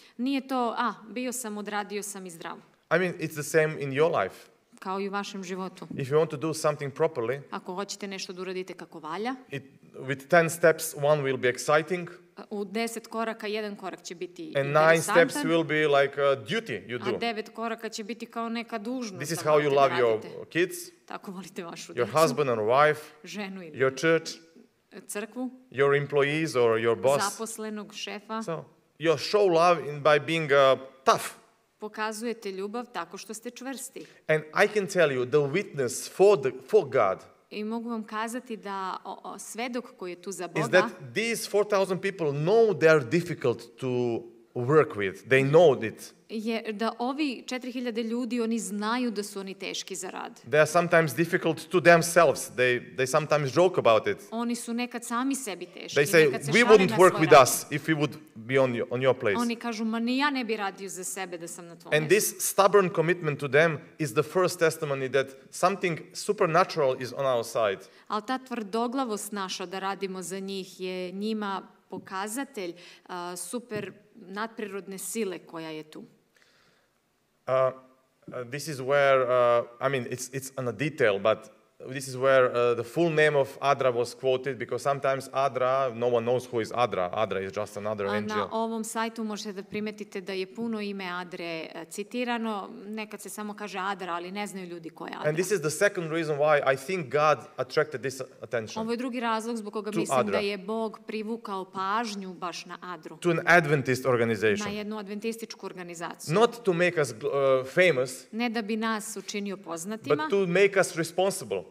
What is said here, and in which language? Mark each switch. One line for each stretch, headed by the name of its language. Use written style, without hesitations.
Serbian: Nije to, bio sam, odradio sam i zdrav.
English: I mean, it's the same in your life.
Serbian: Kao i u vašem životu.
English: If you want to do something properly,
Serbian: ako hoćete nešto da uradite kako valja,
English: with 10 steps, one will be exciting.
Serbian: U 10 koraka, jedan korak će biti interesantan.
English: And 9 steps will be like a duty you do.
Serbian: A 9 koraka će biti kao neka dužnost.
English: This is how you love your kids.
Serbian: Tako volite vašu decu.
English: Your husband and wife.
Serbian: Ženu ili
English: your church.
Serbian: Crkvu.
English: Your employees or your boss.
Serbian: Zaposlenog, šefa.
English: So, you show love in by being tough.
Serbian: Pokazujete ljubav tako što ste čvrsti.
English: And I can tell you, the witness for God,
Serbian: i mogu vam kazati da svedok koji je tu za Boga,
English: is that these 4,000 people know they are difficult to work with. They know it.
Serbian: Je da ovi 4,000 ljudi, oni znaju da su oni teški za rad.
English: They are sometimes difficult to themselves. They sometimes joke about it.
Serbian: Oni su nekad sami sebi teški.
English: They say, we wouldn't work with us if we would be on your place.
Serbian: Oni kažu, ma ni ja ne bi radio za sebe da sam na tvojom.
English: And this stubborn commitment to them is the first testimony that something supernatural is on our side.
Serbian: Ali ta tvrdoglavost naša da radimo za njih je njima pokazatelj super nadprirodne sile koja je tu.
English: This is where I mean it's on a detail, but this is where the full name of Adra was quoted, because sometimes Adra, no one knows who is Adra. Adra is just another angel.
Serbian: Na ovom sajtu možete da primetite da je puno ime Adre citirano. Nekad se samo kaže Adra, ali ne znaju ljudi ko je Adra.
English: And this is the second reason why I think God attracted this attention.
Serbian: Ovo je drugi razlog zbog koga mislim Adra, da je Bog privukao pažnju baš na Adru.
English: To an Adventist organization.
Serbian: Na jednu adventističku organizaciju.
English: Not to make us famous.
Serbian: Ne da bi nas učinio poznatima.
English: But to make us responsible.